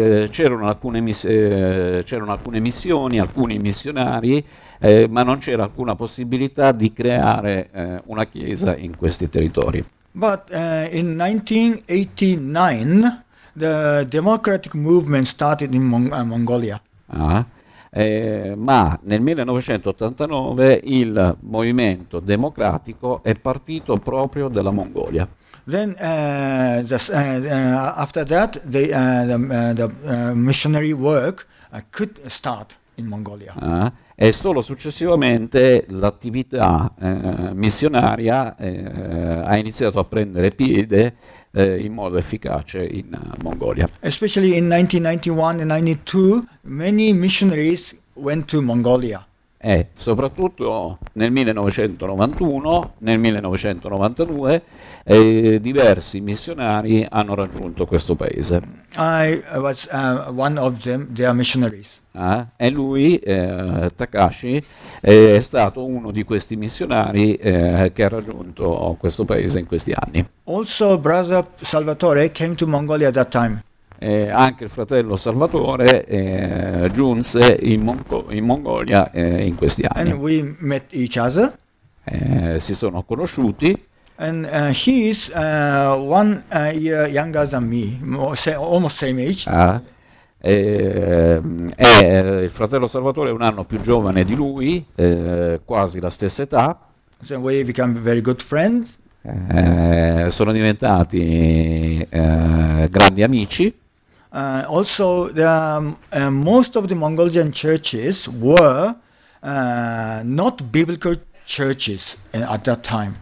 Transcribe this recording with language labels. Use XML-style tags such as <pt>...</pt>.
<it>C'erano alcune missioni, alcuni missionari, ma non c'era alcuna possibilità di creare una chiesa in questi territori.</it> <en>But in 1989 the democratic movement started in Mongolia.</en> <it>Ma nel 1989 il movimento democratico è partito proprio dalla Mongolia.</it> <en>Then after that the missionary work could start in Mongolia.</en> <it>E solo successivamente l'attività missionaria ha iniziato a prendere piede in modo efficace in Mongolia.</it> <en>Especially in 1991 and 92 many missionaries went to Mongolia.</en> <it>Soprattutto nel 1991, nel 1992, diversi missionari hanno raggiunto questo paese.</it> <en>I was one of them, their missionaries.</en> <it>E lui, Takashi, è stato uno di questi missionari che ha raggiunto questo paese in questi anni.</it> <en>Also, brother Salvatore came to Mongolia at that time.</en> <it>Anche il fratello Salvatore giunse in Mongolia in questi anni.</it> <en>And we met each other.</en> <it>Si sono conosciuti.</it> <en>And he is one year younger than me, almost same age.</en> <it>Il fratello Salvatore è un anno più giovane di lui, quasi la stessa età.</it> <en>So we became very good friends.</en> <it>Sono diventati grandi amici.</it> <en>Also, the, most of the Mongolian churches were not biblical churches at that time.</en>